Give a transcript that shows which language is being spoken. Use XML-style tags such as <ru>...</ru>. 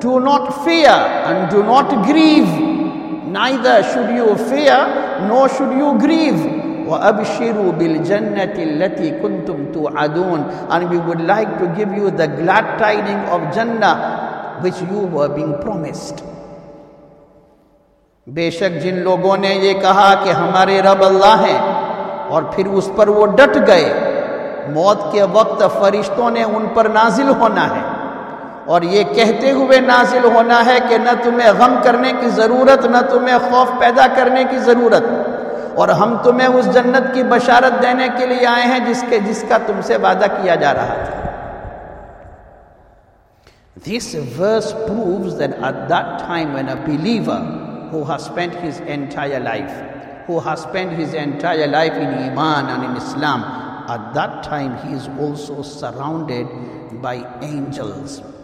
<en>Do not fear and do not grieve. Neither should you fear nor should you grieve.</en> <ar>Wa abshiru bil jannati allati kuntum tu'adun.</ar> <en>And we would like to give you the glad tidings of Jannah which you were being promised.</en> <ur>بے شک جن لوگوں نے یہ کہا کہ ہمارے رب اللہ ہیں اور پھر اس پر وہ ڈٹ گئے, موت کے وقت فرشتوں نے ان پر نازل ہونا ہے اور یہ کہتے ہوئے نازل ہونا ہے کہ نہ تمہیں غم کرنے کی ضرورت نہ تمہیں خوف پیدا کرنے کی ضرورت, اور ہم تمہیں اس جنت کی بشارت دینے کے لیے آئے ہیں جس کا تم سے وعدہ کیا جا رہا تھا.</ur> <en>This verse proves that at that time when a believer who has spent his entire life, who has spent his entire life in Iman and in Islam, at that time he is also surrounded by angels.</en>